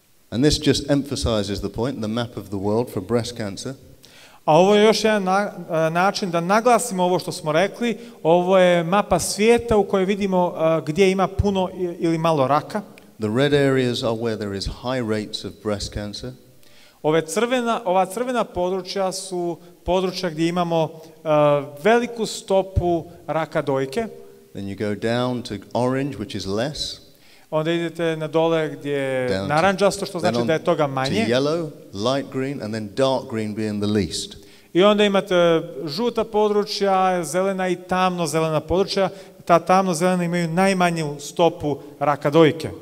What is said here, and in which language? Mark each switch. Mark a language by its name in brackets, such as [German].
[English] And this just emphasizes the point, the map of the world for breast cancer. [Bosnian] A ovo je još jedan način da naglasimo ovo što smo rekli. Ovo je mapa svijeta u kojoj vidimo gdje ima puno ili malo raka. [English] The red areas are where there is high rates of breast cancer. [Bosnian] Ova crvena područja su područja gdje imamo veliku stopu raka dojke. [English] Then you go down to orange, which is less. [Bosnian] Onda idete na dole gdje je narančasto, što znači da je toga manje. [English] To yellow, light green, and then dark green being the least. [Bosnian] I onda imate žuta područja, zelena i tamno zelena područja. Ta tamno zelena imaju najmanju stopu raka dojke.